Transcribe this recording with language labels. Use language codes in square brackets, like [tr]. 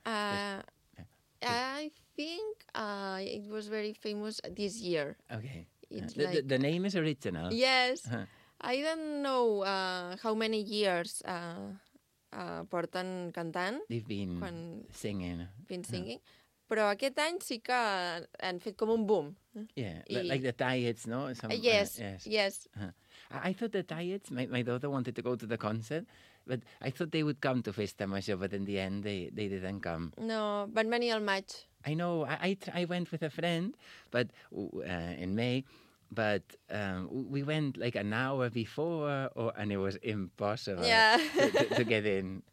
[en] I think it was very famous this year. Okay. The name is original. Yes. Uh-huh. I don't know how many years [ca] porten cantant. [en] They've been singing. Been singing. Uh-huh. [ca] però aquest any sí que han fet com un boom. [en] Yeah, like the Tyets, no? Yes. I thought the Tyets, my daughter wanted to go to the concert, but I thought they would come to Festa Major, but in the end they didn't come. [ca] No, van venir al maig. [en] I know, I went with a friend but in May, but we went like an hour before and it was impossible to get in.